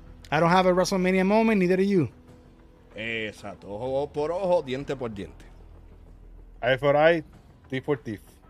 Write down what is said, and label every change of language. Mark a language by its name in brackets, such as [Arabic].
[English] I don't have a WrestleMania moment, neither do you. [Spanish] Exacto. Ojo por ojo, diente por diente. [English] Eye for eye, teeth for teeth.